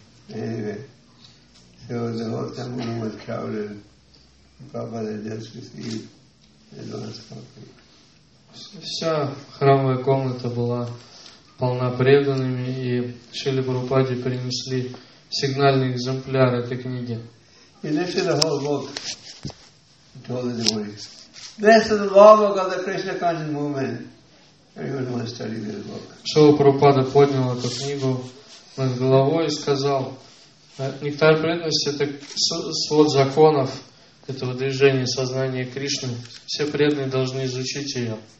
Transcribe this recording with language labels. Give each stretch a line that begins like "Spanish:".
English: Anyway. So the whole temple was crowded. Prabhupada just received advanced copy.
Russian: Вся храмовая комната была полна преданными, и Шриле Прабхупаде принесли сигнальный экземпляр этой книги.
English: He lifted the whole book and told the devotees, "This is the law book of the Krishna conscious movement. Everyone must study this book."
Russian: Шрила Прабхупада поднял эту книгу над головой и сказал: «Нектар преданности — это свод законов этого движения сознания Кришны. Все преданные должны изучить ее».